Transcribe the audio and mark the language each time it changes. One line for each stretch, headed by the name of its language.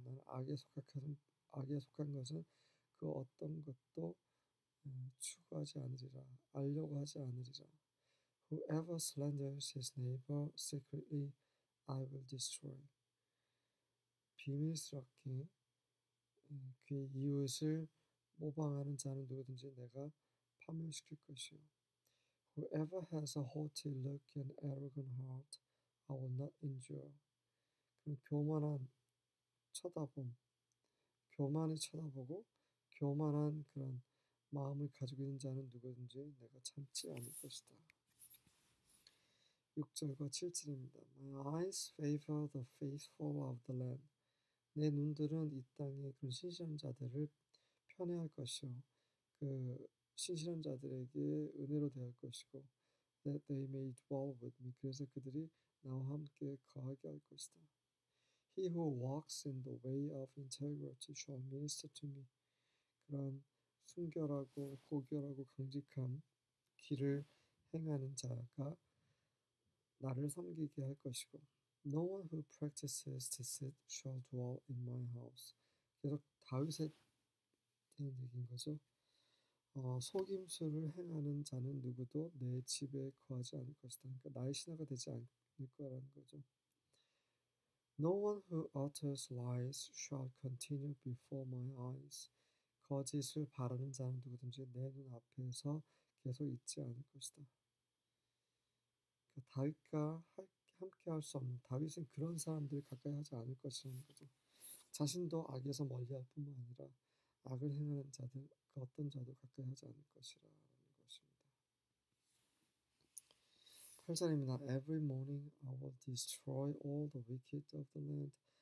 Korean: 나는 악에 속한 것은 그 어떤 것도 추구하지 않으리라, 알려고 하지 않으리라.
English: Whoever slanders his neighbor secretly, I will destroy.
Korean: 비밀스럽게 그의 이웃을 모방하는 자는 누구든지 내가 파멸시킬 것이요.
English: Whoever has a haughty look and arrogant heart, I will not endure.
Korean: 그 교만한 쳐다봄, 교만히 쳐다보고 교만한 그런 마음을 가지고 있는 자는 누구든지 내가 참지 않을 것이다. 6절과 7절입니다.
English: My eyes favor the faithful of the land.
Korean: 내 눈들은 이 땅의 그런 신실한 자들을 편애할 것이요. 그 신실한 자들에게 은혜로 대할 것이고,
English: that they may dwell with me.
Korean: 그래서 그들이 나와 함께 거하게 할 것이다.
English: He who walks in the way of integrity shall minister to me.
Korean: 그런 순결하고 고결하고 강직한 길을 행하는 자가 나를 섬기게 할 것이고,
English: No one who practices deceit shall dwell in my house.
Korean: 계속 다윗의 얘기인 거죠. 속임수를 행하는 자는 누구도 내 집에 거하지 않을 것이다. 그러니까 나의 신하가 되지 않을 거라는 거죠.
English: No one who utters lies shall continue before my eyes.
Korean: 거짓을 바라는 자는 누구든지 내 눈앞에서 계속 있지 않을 것이다. 그러니까 함께 할수 없는 다윗은 그런 사람들을 가까이 하지 않을 것이라는 거죠. 자신도 악에서 멀리할 뿐만 아니라 악을 행하는 자들 그 어떤 자도 가까이 하지 않을 것이라는 것입니다. 8절입니다.
English: Every morning I will destroy all the wicked of the land.